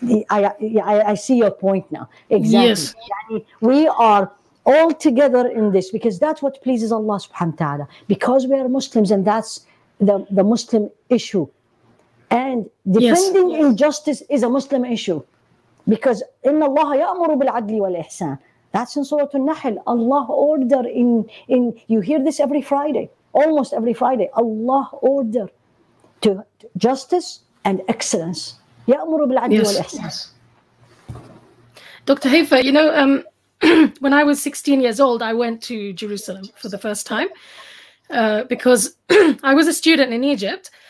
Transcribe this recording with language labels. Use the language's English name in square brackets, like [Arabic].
[English] I see your point now. Exactly. Yes. We are all together in this because that's what pleases Allah subhanahu wa ta'ala. Because we are Muslims and that's the Muslim issue. And defending injustice is a Muslim issue. Because [Arabic] إِنَّ اللَّهَ يَأْمُرُ بِالْعَدْلِ وَالْإِحْسَانِ. [English] That's in Surah An-Nahl. Allah order in you hear this every Friday, almost every Friday. Allah order to justice and excellence. [Arabic] يَأْمُرُ بِالْعَدْلِ وَالْإِحْسَانِ. [English] Dr. Haifa, you know, when I was 16 years old, I went to Jerusalem for the first time because I was a student in Egypt.